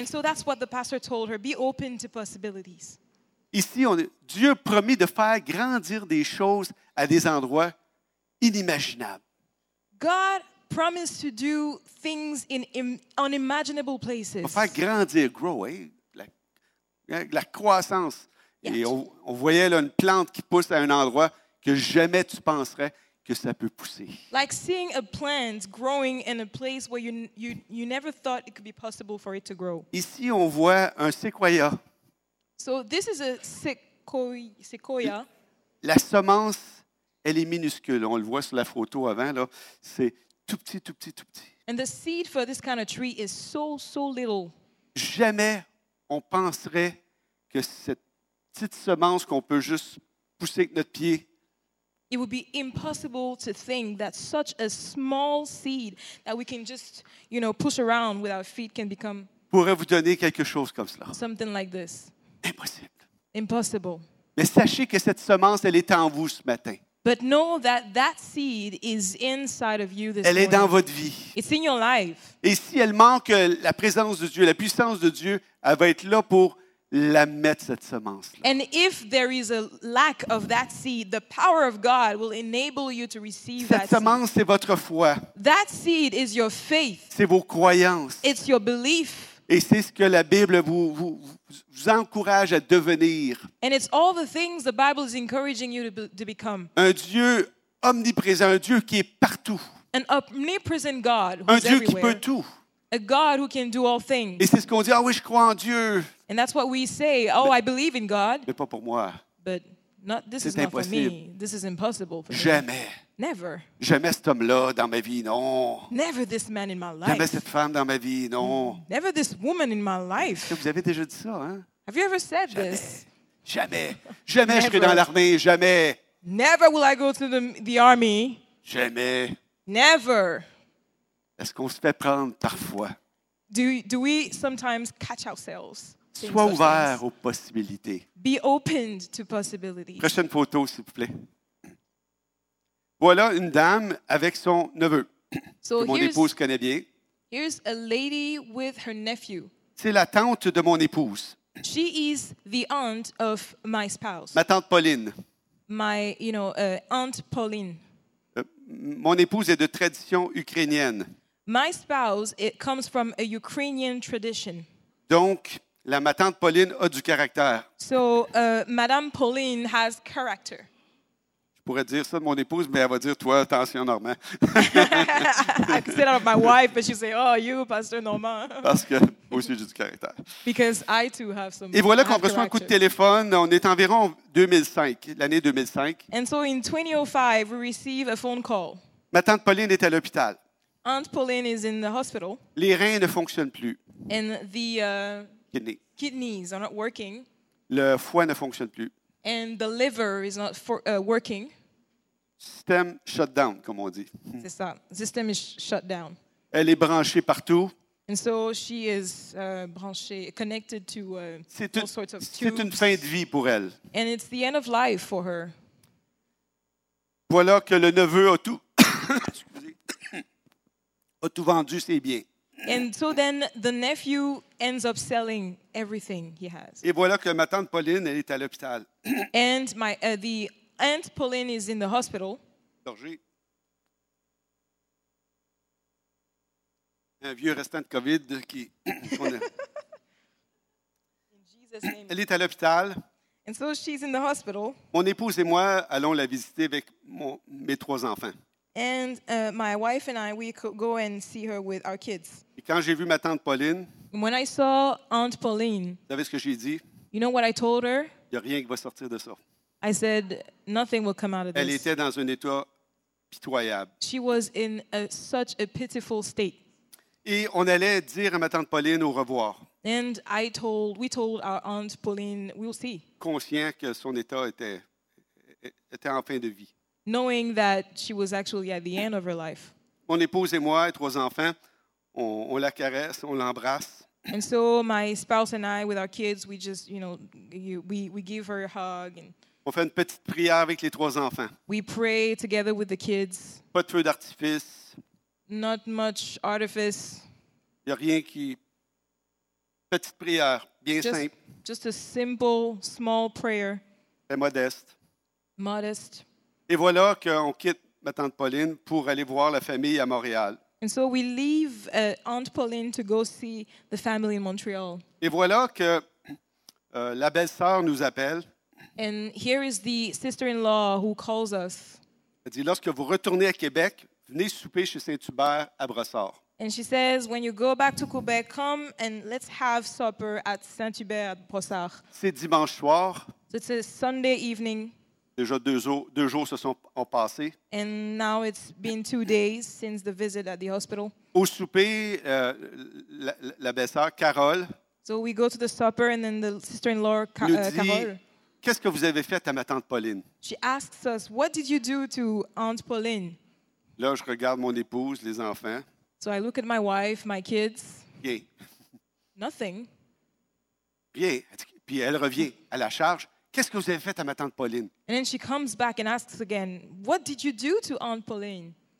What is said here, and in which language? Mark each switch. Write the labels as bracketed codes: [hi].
[en] And so that's what the pastor told her. Be open to possibilities. [fr] Ici, Dieu promet de faire grandir des choses à des endroits inimaginables. [en] God promised to do things in unimaginable places. [fr] Pour faire grandir, [en] grow, [fr] la croissance. Yeah. Et on voyait là, une plante qui pousse à un endroit que jamais tu penserais que ça peut pousser. [en] Like seeing a plant growing in a place where you never thought it could be possible for it to grow. [fr] Ici, on voit un séquoia. [en] So this is a sequoia. [fr] La semence, elle est minuscule. On le voit sur la photo avant, là. C'est tout petit, tout petit, tout petit. [en] And the seed for this kind of tree is so little. [fr] Jamais on penserait que cette petite semence qu'on peut juste pousser avec notre pied. [en] It would be impossible to think that such a small seed that we can just, you know, push around with our feet can become [fr] pourrait vous donner quelque chose comme cela. [en] Something like this. [fr] Impossible. [en] Impossible. [fr] Mais sachez que cette semence, elle est en vous ce matin. [en] But know that that seed is inside of you this morning. [fr] Elle est dans votre vie. [en] It's in your life. [fr] Et si elle manque la présence de Dieu, la puissance de Dieu, elle va être là pour la mettre cette semence. [en] And if there is a lack of that seed, the power of God will enable you to receive [fr] cette semence, [en] seed. [fr] C'est votre foi. [en] That seed is your faith. [fr] C'est vos croyances. [en] It's your belief. [fr] Et c'est ce que la Bible vous encourage à devenir. [en] And it's all the things the Bible is encouraging you to become. [fr] Un Dieu omniprésent, un Dieu qui est partout. [en] An omnipresent God who [fr] un [en] is [fr] Dieu [en] everywhere. [fr] Qui peut tout. [en] A God who can do all things. [fr] Et c'est ce qu'on dit, oui, je crois en Dieu. [en] And that's what we say, I believe in God. [fr] Mais pas pour moi. [en] But not, this [fr] c'est impossible. [en] Not for me. This is impossible for [fr] jamais. [en] Me. Never. [fr] Jamais cet homme-là dans ma vie, non. [en] Never this man in my life. [fr] Jamais cette femme dans ma vie, non. [en] Never this woman in my life. [fr] Est-ce que vous avez déjà dit ça, hein? [en] Have you ever said [fr] jamais. [en] This? [fr] Jamais. Jamais je serai dans l'armée, jamais. [en] Never will I go to the army. [fr] Jamais. [en] Never. [fr] Est-ce qu'on se fait prendre parfois? [en] Do we sometimes catch ourselves? [fr] Sois ouvert aux possibilités. [en] Be opened to possibilities. [fr] Prochaine photo, s'il vous plaît. Voilà une dame avec son neveu. [en] So [fr] que mon épouse connaît bien. [en] Here's a lady with her nephew. [fr] C'est la tante de mon épouse. [en] She is the aunt of my spouse. [fr] Ma tante Pauline. [en] My, you know, aunt Pauline. [fr] Mon épouse est de tradition ukrainienne. [en] My spouse, it comes from a Ukrainian tradition. [fr] Donc, ma tante Pauline a du caractère. [en] So, Madame Pauline has character. [fr] Je pourrais dire ça de mon épouse, mais elle va dire, toi, attention, Normand. [en] I could say that of my wife, but she'd say, oh, you, Pasteur Normand. [fr] Parce que, aussi, j'ai du caractère. [en] Because I, too, have some [fr] et voilà qu'on reçoit un coup de téléphone. On est environ 2005, l'année 2005. [en] And so, in 2005, we receive a phone call. [fr] Ma tante Pauline est à l'hôpital. [en] Aunt Pauline is in the hospital. [fr] Les reins ne fonctionnent plus. [en] And the kidneys are not working. [fr] Le foie ne fonctionne plus. [en] And the liver is not working. System shut down, [fr] comme on dit. C'est ça. [en] System is shut down. [fr] Elle est branchée partout. [en] And so she is branchée, connected to all sorts of tubes. [fr] C'est une fin de vie pour elle. [en] And it's the end of life for her. [fr] Voilà que le neveu a tout. Excusez. A tout vendu ses biens. [en] And so then the nephew ends up selling everything he has. [fr] Et voilà que ma tante Pauline, elle est à l'hôpital. [en] And my the aunt Pauline is in the hospital. Dorgée. [fr] Un vieux restant de COVID qui. [en] In Jesus' name. [fr] Elle est à l'hôpital. [en] And so she's in the hospital. [fr] Mon épouse et moi allons la visiter avec mes trois enfants. [en] And my wife and I, we could go and see her with our kids. [fr] Et quand j'ai vu ma tante Pauline, [en] when I saw Aunt Pauline, [fr] vous savez ce que j'ai dit? [en] You know what I told her? [fr] Y a rien qui va sortir de ça. [en] I said, nothing will come out of [fr] Elle [en] this. [fr] Elle était dans un état pitoyable. [en] She was in such a pitiful state. [fr] Et on allait dire à ma tante Pauline au revoir. [en] And we told our Aunt Pauline, we'll see. [fr] Conscient que son état était en fin de vie. [en] Knowing that she was actually at the end of her life. [fr] Mon épouse et moi et trois enfants, on la caresse, on l'embrasse. [en] And so my spouse and I, with our kids, we just, you know, we give her a hug. And [fr] on fait une petite prière avec les trois enfants. [en] We pray together with the kids. [fr] Pas de feu d'artifice. [en] Not much artifice. [fr] Il y a rien qui. Petite prière, bien [en] just, [fr] simple. [en] Just a simple, small prayer. [fr] Et modeste. [en] Modest. [fr] Et voilà qu'on quitte ma tante Pauline pour aller voir la famille à Montréal. [en] And so we leave Aunt Pauline to go see the family in Montreal. [fr] Et voilà que la belle-sœur nous appelle. [en] And here is the sister-in-law who calls us. [fr] Elle dit, lorsque vous retournez à Québec, venez souper chez Saint-Hubert à Brossard. [en] And she says, when you go back to Quebec, come and let's have supper at Saint-Hubert à Brossard. [fr] C'est dimanche soir. [en] So it's a Sunday evening. [fr] Déjà deux jours se sont passés. [en] And now it's been 2 days since the visit at the hospital. [fr] Au souper, la belle-sœur Carole. [en] So we go to the supper and then the sister-in-law Carole. [fr] Qu'est-ce que vous avez fait à ma tante Pauline? [en] She asks us, what did you do to Aunt Pauline? [fr] Là, je regarde mon épouse, les enfants. [en] So I look at my wife, my kids. [fr] Rien. [en] Nothing. [fr] Rien. Puis elle revient à la charge. Qu'est-ce que vous avez fait à ma tante Pauline? [en] And then she comes back and asks again, what did you do to Aunt Pauline?